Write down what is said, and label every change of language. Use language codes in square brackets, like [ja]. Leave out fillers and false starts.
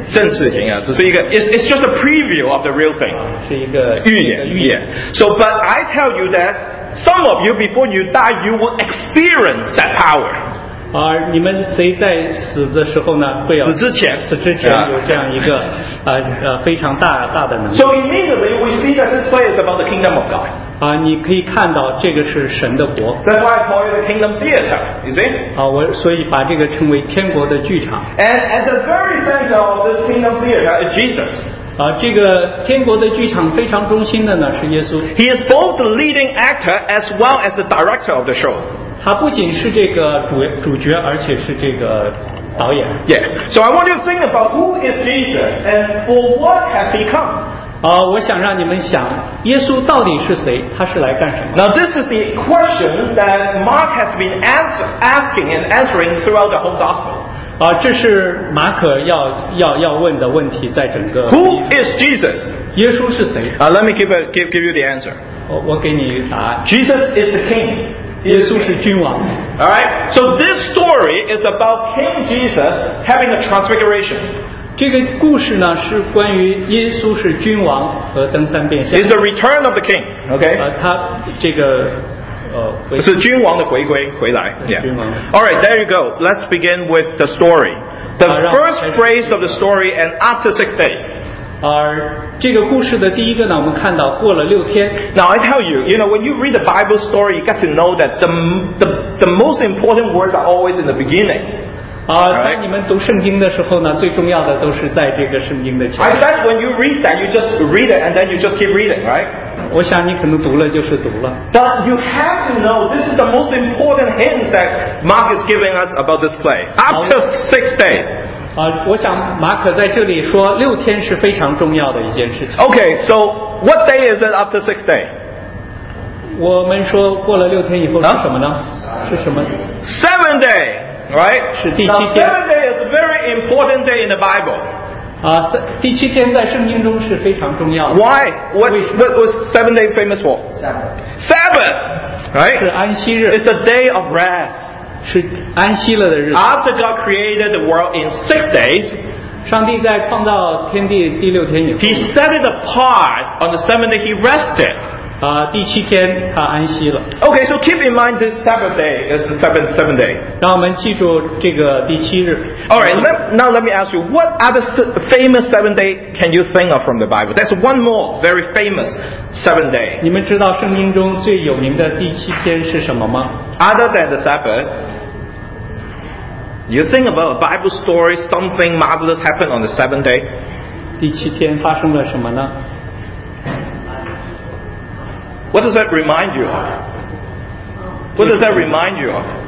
[zh] 真事情啊只是一个 [en] It's just a preview of the real thing [zh] 是一个预言预言 [en] So but I tell you that Some of you before you die You will experience that power [zh] 你们谁在死的时候呢会有死之前有这样一个非常大的能力 [en] So immediately we see that this play is about the kingdom of God [zh] 你可以看到这个是神的国 [en] That's why I call it the kingdom theater You see [zh] 所以把这个称为天国的剧场 [en] And at the very center of this kingdom theater is Jesus [zh] 这个天国的剧场非常中心的呢是耶稣 [en] He is both the leading actor as well as the director of the show [zh] 他不仅是这个主角而且是这个导演 [en] Yeah, so I want you to think about who is Jesus and for what has he come? [zh] 我想让你们想耶稣到底是谁他是来干什么 [en] Now this is the question that Mark has been asking and answering throughout the whole gospel [zh] 这是马可要问的问题在整个 [en] Who is Jesus? [zh] 耶稣是谁 [en] Let me give you the answer [zh] 我给你答案 [en] Jesus is the king [zh] 耶稣是君王 [en] All right. So this story is about King Jesus having a transfiguration. [zh] 这个故事呢是关于耶稣是君王和登山变相。 [en] It's the return of the king. Okay. [zh] 他这个是君王的回归回来。Yeah. 君王。 [en] All right. There you go. Let's begin with the story. The first phrase of the story and after 6 days. [zh] 这个故事的第一个呢我们看到过了六天 [en] Now I tell you You know when you read the Bible story You got to know that the most important words are always in the beginning [zh] 当你们读圣经的时候呢最重要的都是在这个圣经的前面 [en] I bet when you read that You just read it And then you just keep reading Right [zh] 我想你可能读了就是读了 [en] But you have to know This is the most important hints That Mark is giving us about this play After 6 days [zh] 我想马可在这里说六天是非常重要的一件事情 [en] Okay, so what day is it after 6 days? [zh] 我们说过了六天以后是什么呢 是什么 [en] 7th day, right? [zh] 是第七天 [en] 7th day is a very important day in the Bible [zh] 第七天在圣经中是非常重要的。 [en] Why? What was seven day famous for? Sabbath. Sabbath, right? [zh] 是安息日。 [en] It's a day of rest. [zh] 是安息了的日子。 [en] After God created the world in six days, [zh] 上帝在创造天地第六天以后 [en] He set it apart on the seventh day. He rested. [zh] 第七天他安息了。 [en] Okay, so keep in mind this Sabbath day is the seventh day. [zh] 让我们记住这个第七日。 [en] Alright, now let me ask you, what other famous seventh day can you think of from the Bible? That's one more very famous seventh day. [zh] 你们知道圣经中最有名的第七天是什么吗？ [en] Other than the Sabbath, you think about a Bible story, something marvelous happened on the seventh day? [zh] 第七天发生了什么呢？ [en] What does that remind you of? What does that remind you of?